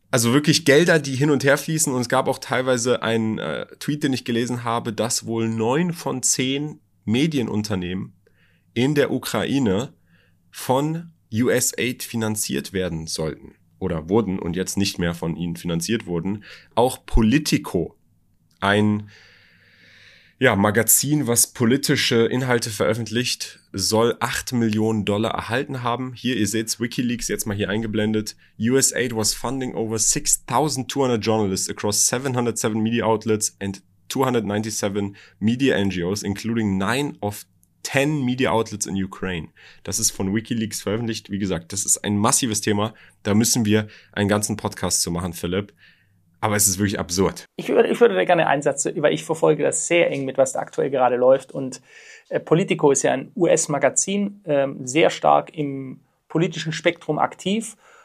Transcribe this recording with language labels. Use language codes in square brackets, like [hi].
[de] Also wirklich Gelder, die hin und her fließen. Und es gab auch teilweise einen Tweet, den ich gelesen habe, dass wohl 9 von 10 Medienunternehmen in der Ukraine von USAID finanziert werden sollten oder wurden und jetzt nicht mehr von ihnen finanziert wurden. Auch Politico, ein ja, Magazin, was politische Inhalte veröffentlicht, soll 8 Millionen Dollar erhalten haben. Hier, ihr seht es, WikiLeaks jetzt mal hier eingeblendet. [en] USAID was funding over 6,200 journalists across 707 media outlets and 297 media NGOs, including 9 of 10 media outlets in Ukraine. [de] Das ist von WikiLeaks veröffentlicht. Wie gesagt, das ist ein massives Thema. Da müssen wir einen ganzen Podcast zu machen, Philipp. Aber es ist wirklich absurd. Ich würde da gerne einen Satz, weil ich verfolge das sehr eng mit, was da aktuell gerade läuft. Und Politico ist ja ein US-Magazin, sehr stark im politischen Spektrum aktiv.